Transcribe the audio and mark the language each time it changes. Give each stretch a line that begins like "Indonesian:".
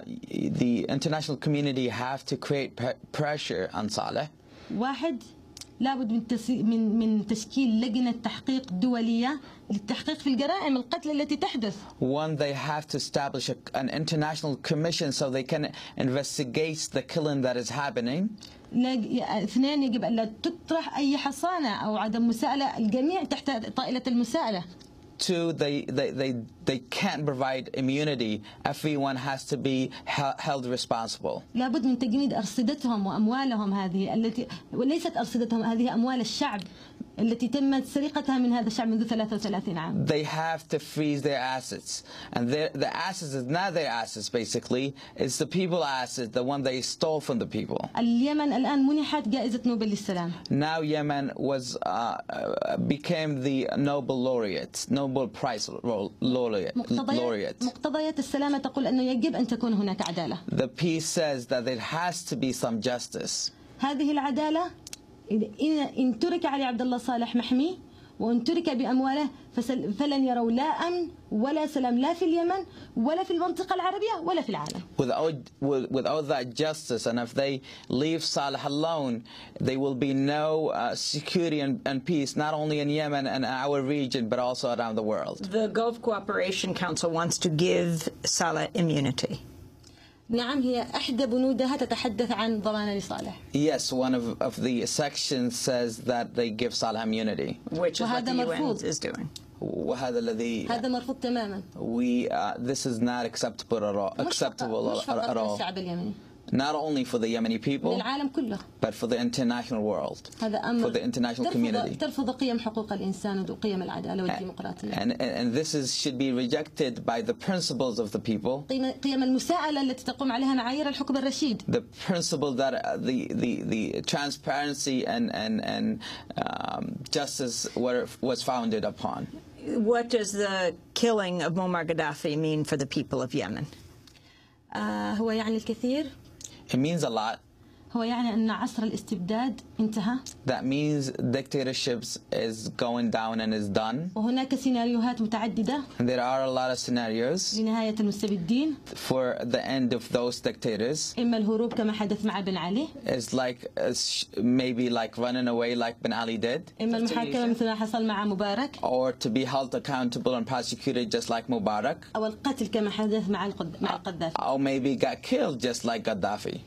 English: The international community have to create pressure on Saleh.
Arabic: واحد لابد من تشكيل لجنة تحقيق دولية للتحقيق في الجرائم القتل التي تحدث.
English: One, they have to establish an international commission so they can investigate the killing that is happening.
Arabic: اثنين يجب ألا تطرح أي حصانة أو عدم مساءلة الجميع تحت طائلة المساءلة.
English: Two, they can't provide immunity. Everyone has to be held responsible.
Arabic: لابد من تجنيد أرصدتهم وأموالهم هذه التي وليست أرصدتهم هذه أموال الشعب التي تمت سرقتها من هذا الشعب منذ 33 عام.
English: They have to freeze their assets, and the assets is not their assets. Basically, it's the people's assets, the one they stole from the people.
Arabic: اليمن الآن منحت جائزة نوبل للسلام.
English: Now Yemen was became the Nobel laureate, Nobel Prize laureate.
Arabic: مقتضيات السلامة تقول أنه يجب أن تكون هناك عدالة.
English: The peace says that there has to be some justice.
Arabic: هذه العدالة. إن ترك علي عبد الله صالح محمي وإن ترك بأمواله فلن يروا لا أمن ولا سلام لا في اليمن ولا في المنطقة العربية ولا في العالم.
English: Without that justice, and if they leave Saleh alone, they will be no security and peace, not only in Yemen and our region, but also around the world. The Gulf Cooperation Council wants to give Saleh immunity.
Arabic: نعم هي إحدى بنودها تتحدث عن ضمان لصالح.
English: Yes, one of the sections says that they give Saleh immunity. Which is what the UN is doing.
Arabic: وهذا الذي. هذا مرفوض تماماً.
English: This is not acceptable at all.
Arabic: مش فقط للشعب اليمني.
English: Not only for the Yemeni people,
Arabic: للعالم كله.
English: But for the international world,
Arabic: هذا أمر
English: for the international community.
Arabic: ترفض قيم حقوق الإنسان وقيم العدالة والديمقراطية.
English: And this should be rejected by the principles of the people.
Arabic: قيم المساءلة التي تقوم عليها معايير الحكم الرشيد.
English: The principle that the transparency and justice was founded upon. What does the killing of Muammar Gaddafi mean for the people of Yemen?
Arabic: هو يعني الكثير.
English: It means a lot.
Arabic: هو يعني أن عصر الاستبداد انتهى.
English: That means dictatorships is going down and is done.
Arabic: وهناك سيناريوهات متعددة.
English: And there are a lot of scenarios.
Arabic: لنهاية المستبدين.
English: For the end of those dictators.
Arabic: إما الهروب كما حدث مع بن علي.
English: It's like maybe like running away like Bin Ali did.
Arabic: إما المحاكمة مثل ما حصل مع مبارك.
English: Or to be held accountable and prosecuted just like Mubarak.
Arabic: أو القتل كما حدث مع القذافي.
English: Or maybe got killed just like Gaddafi.